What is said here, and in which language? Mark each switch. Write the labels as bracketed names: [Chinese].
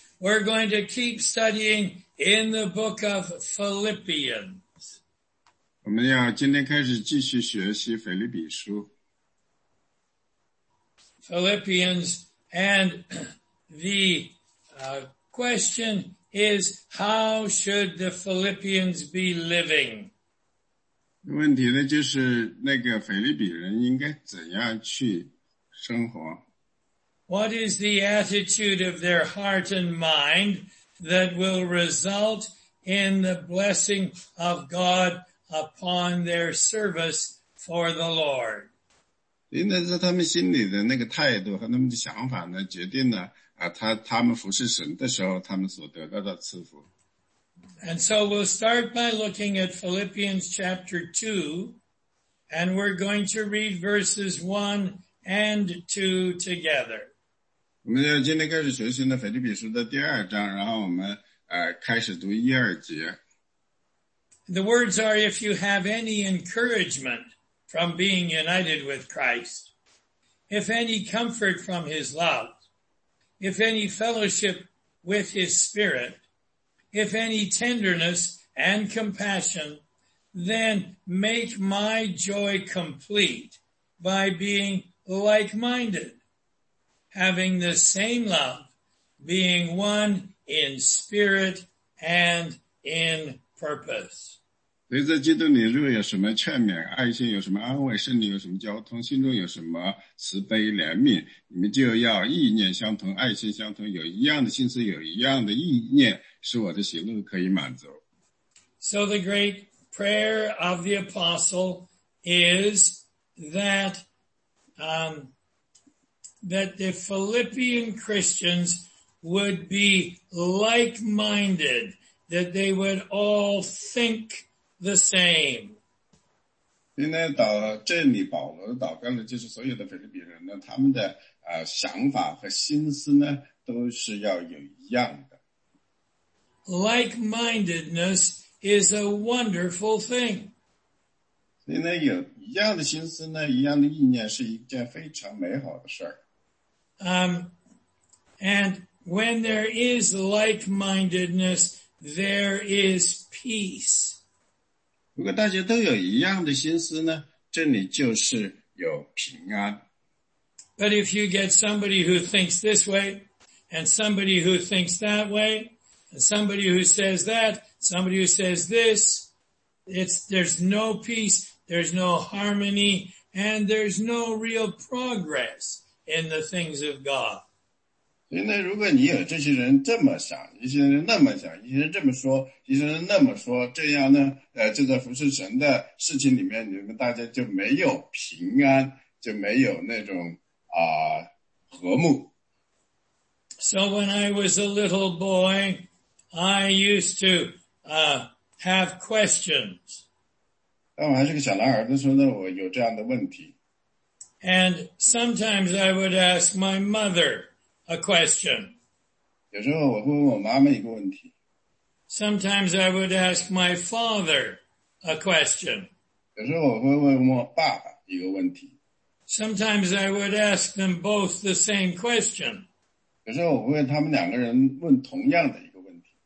[English] We're going to keep studying in the book of Philippians. [Chinese] 我们要今天开始继续学习腓立比书。 [English] Philippians, and the question is, how should the Philippians be living? [Chinese] 问题呢，就是那个腓立比人应该怎样去生活？ [English] What is the attitude of their heart and mind that will result in the blessing of God upon their service for the Lord? [Chinese] 那是他们心里的那个态度和他们的想法呢，决定了啊，他们服侍神的时候，他们所得到的赐福。 [English] And so we'll start by looking at Philippians chapter 2, and we're going to read verses 1 and 2 together. [Chinese] 我们要今天开始学习呢腓立比书的第二章，然后我们开始读一二节。 [English] The words are, if you have any encouragement from being united with Christ, if any comfort from his love, if any fellowship with his spirit, if any tenderness and compassion, then make my joy complete by being like-minded. Having the same love, being one in spirit and in purpose. [Chinese] 所以在基督里若有什么劝勉，爱心有什么安慰，圣灵有什么交通，心中有什么慈悲怜悯，你们就要意念相同，爱心相同，有一样的心思，有一样的意念，使我的喜乐可以满足。 [English] So the great prayer of the apostle is that, that the Philippian Christians would be like-minded, that they would all think the same. [Chinese] 今天祷这里保罗祷告的就是所有的腓立比人呢，他们的想法和心思呢都是要有一样的。 [English] Like-mindedness is a wonderful thing. [Chinese] 所以呢，有一样的心思呢，一样的意念是一件非常美好的事儿。 [English] And when there is like-mindedness, there is peace. [Chinese] 如果大家都有一样的心思呢，这里就是有平安。 [English] But if you get somebody who thinks this way, and somebody who thinks that way, and somebody who says that, somebody who says this, there's no peace, there's no harmony, and there's no real progress. In the things of God. [Chinese] 所以呢，如果你有这些人这么想，一些人那么想，一些人这么说，一些人那么说，这样呢，就在服侍神的事情里面，你们大家就没有平安，就没有那种和睦。 [English] So when I was a little boy, I used to have questions. [Chinese] 当我还是个小男孩的时候呢，我有这样的问题。 [English] And sometimes I would ask my mother a question. [Chinese] 有时候我会问我妈妈一个问题。 [English] Sometimes I would ask my father a question. [Chinese] 有时候我会问我爸爸一个问题。 [English] Sometimes I would ask them both the same question. [Chinese] 有时候我会问他们两个人问同样的一个问题。